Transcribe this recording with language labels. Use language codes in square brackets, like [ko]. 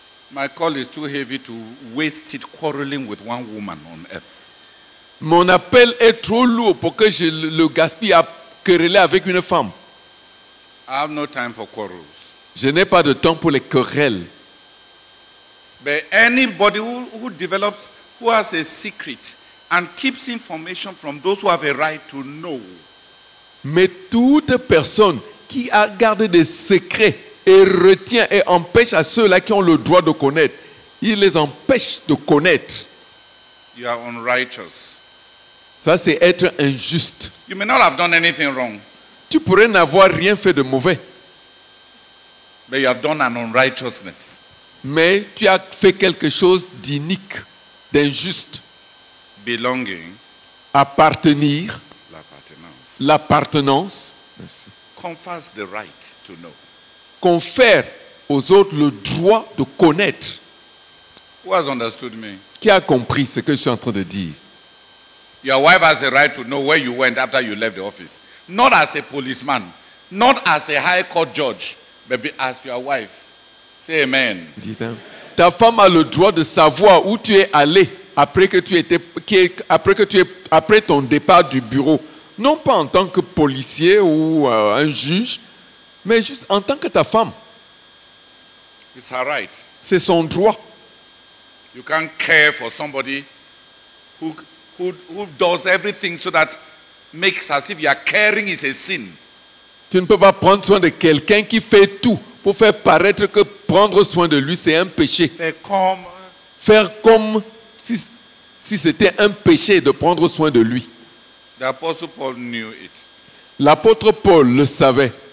[en] My call is too heavy to waste it quarreling with one woman on earth. [fr] Mon appel est trop lourd pour que je le gaspille à quereller avec une femme. [en] I have no time for quarrels. [fr] Je n'ai pas de temps pour les querelles. [en] But anybody who develops, who has a secret and keeps information from those who have a right to know. [fr] Mais toute personne qui a gardé des secrets et retient et empêche à ceux-là qui ont le droit de connaître, il les empêche de connaître. [en] You are unrighteous. [fr] Ça, c'est être injuste. [en] You may not have done anything wrong. [fr] Tu pourrais n'avoir rien fait de mauvais. [en] But you have done an unrighteousness. [fr] Mais tu as fait quelque chose d'inique, d'injuste. [en] Belonging. [fr] Appartenir. L'appartenance. [en] Confers the right to know. [fr] Confère aux autres le droit de connaître. [en] Who has understood me? [fr] Qui a compris ce que je suis en train de dire? [en] Your wife has a right to know where you went after you left the office. Not as a policeman, not as a high court judge, but as your wife. Say amen. [fr] Ta femme a le droit de savoir où tu es allé après ton départ du bureau. Non pas en tant que policier ou un juge, mais juste en tant que ta femme. [en] It's her right. [fr] C'est son droit. [en] You can't care for somebody who does everything so that makes as if you are caring is a sin. [fr] Tu ne peux pas prendre soin de quelqu'un qui fait tout pour faire paraître que prendre soin de lui c'est un péché. Faire comme si c'était un péché de prendre soin de lui. [en] The apostle Paul knew it. [fr] L'apôtre Paul le savait.